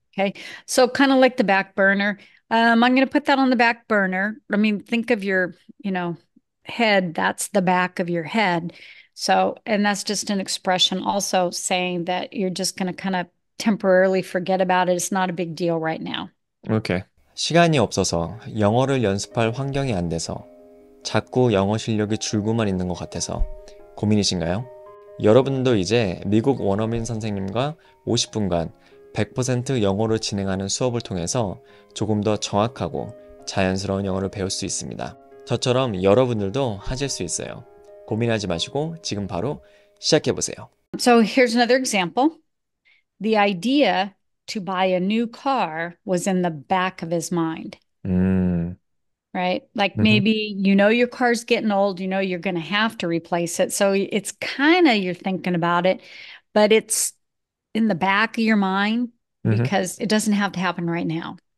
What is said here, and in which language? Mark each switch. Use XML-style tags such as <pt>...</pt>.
<en>Okay, so kind of like the back burner. I'm going to put that on the back burner. I mean, think of your, you know, head, that's the back of your head. So, and that's just an expression also saying that you're just going to kind of temporarily forget about it. It's not a big deal right now. Okay.</en> <ko>시간이 없어서 영어를 연습할 환경이 안 돼서 자꾸 영어 실력이 줄고만 있는 것 같아서 고민이신가요? 여러분도 이제 미국 원어민 선생님과 50분간 100% 영어로 진행하는 수업을 통해서 조금 더 정확하고 자연스러운 영어를 배울 수 있습니다. 저처럼 여러분들도 하실 수 있어요. 고민하지 마시고 지금 바로 시작해보세요.</ko> <en>So here's another example. The idea to buy a new car was in the back of his mind, right? Like maybe, you know, your car's getting old, you know, you're going to have to replace it. So it's kind of, you're thinking about it, but it's in the back of your mind because it doesn't have to happen right now.</en>